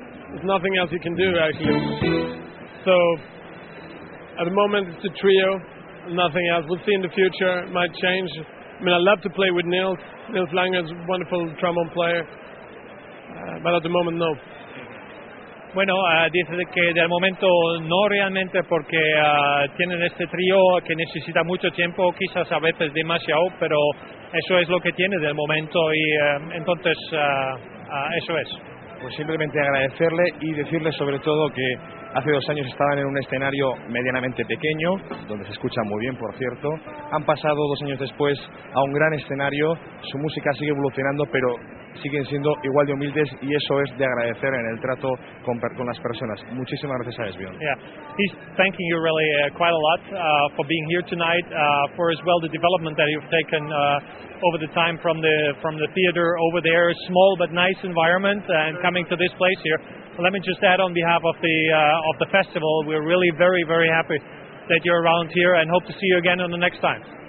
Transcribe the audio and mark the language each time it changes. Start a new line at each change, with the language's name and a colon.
English: There's nothing else you can do, actually. So at the moment it's a trio, nothing else. We'll see in the future, it might change. I mean, I love to play with Nils. Nils Lange is a wonderful trombone player, but at the moment, no.
Spanish: Bueno, dice que de momento no realmente porque tienen este trío que necesita mucho tiempo, quizás a veces demasiado, pero eso es lo que tiene de momento y entonces eso es. Pues simplemente agradecerle y decirle sobre todo que hace dos años estaban en un escenario medianamente pequeño, donde se escucha muy bien, por cierto. Han pasado dos años después a un gran escenario, su música sigue evolucionando, pero siguen siendo igual de humildes y eso es de agradecer en el trato con las personas. Muchísimas gracias a Esbjorn.
English: Yeah, he's thanking you really quite a lot for being here tonight, for as well the development that you've taken over the time from the theater over there, small but nice environment, and coming to this place here. Let me just add on behalf of the festival, we're really very very happy that you're around here and hope to see you again on the next time.